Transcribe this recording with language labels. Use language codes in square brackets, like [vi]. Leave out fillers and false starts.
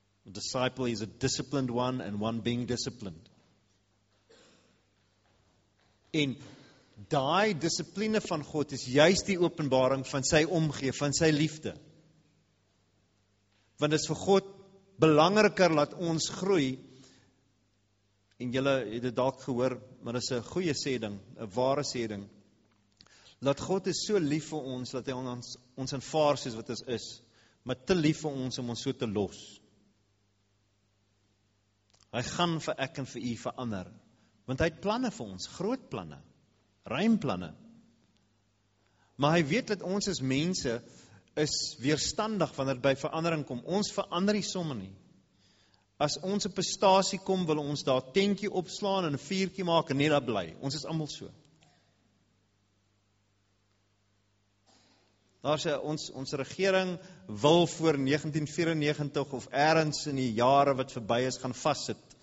[en] A disciple is a disciplined one and one being disciplined. [af] En die discipline van God is juist die openbaring van sy omgee, van sy liefde. Want is vir God belangriker laat ons groei, en julle het dit dalk gehoor, maar dit is 'n goeie sêding, 'n ware sêding, dat God is so lief vir ons, dat hy ons aanvaar soos wat ons is, maar te lief vir ons om ons so te los. Hy gaan vir ek en vir u verander, want hy het planne vir ons, groot planne, ruim planne, maar hy weet dat ons as mense is weerstandig wanneer by verandering kom. Ons verander die somme nie. As ons op 'n stasie kom, wil ons daar tentjie opslaan en 'n vuurtjie maak en net daar bly. Ons is almal so. Daar's ons regering wil voor 1994 of ergens in die jare wat verby is gaan vassit,